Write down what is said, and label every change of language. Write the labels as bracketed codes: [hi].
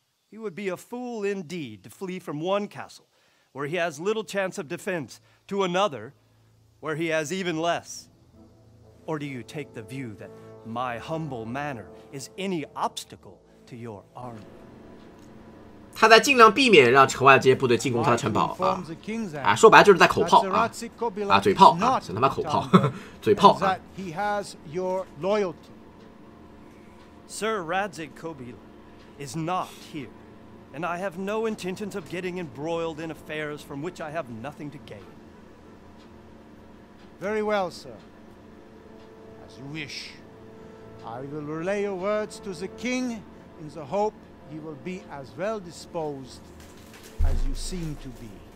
[en] He would be a fool indeed to flee from one castle where he has little chance of defense to another where he has even less. Or do you take the view that my humble manner is any obstacle to your army? [zh] 他在尽量避免让城外这些部队进攻他的城堡啊，啊，说白了就是在口炮啊，啊，嘴炮啊，是他妈口炮，嘴炮啊。 [en] He has your loyalty. Sir Radzik Kobila. Is not here, and I have no intentions of getting embroiled in affairs from which I have nothing to gain. Very well, sir. As you wish. I will relay your words to the king in the hope he will be as well disposed as you seem to be.